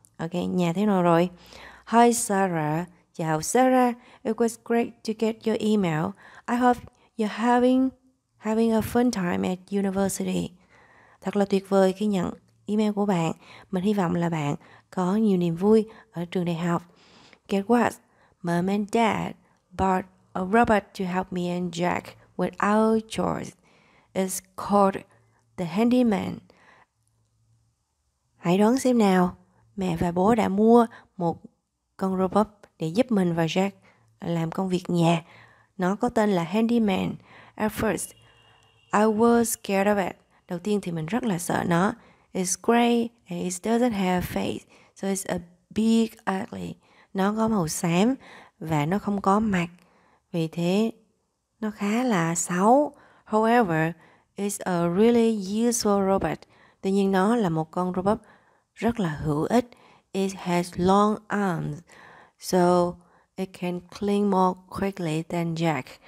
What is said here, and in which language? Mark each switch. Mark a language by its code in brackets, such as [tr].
[vi] Ok, nhà thế nào rồi? [en] Hi Sarah. [vi] Chào Sarah. [en] It was great to get your email. I hope you're having a fun time at university. [vi] Thật là tuyệt vời khi nhận email của bạn. Mình hy vọng là bạn có nhiều niềm vui ở trường đại học. [en] Guess what? Mom and Dad bought a robot to help me and Jack with our chores. It's called the handyman. [vi] Hãy đoán xem nào. Mẹ và bố đã mua một con robot để giúp mình và Jack làm công việc nhà. Nó có tên là handyman. [en] At first, I was scared of it. [vi] Đầu tiên thì mình rất là sợ nó. [en] It's gray and it doesn't have a face. So it's a big ugly. [vi] Nó có màu xám và nó không có mặt. Vì thế, nó khá là xấu. [en] However, it's a really useful robot. [vi] Tuy nhiên, nó là một con robot rất là hữu ích. [en] It has long arms, so it can clean more quickly than Jack.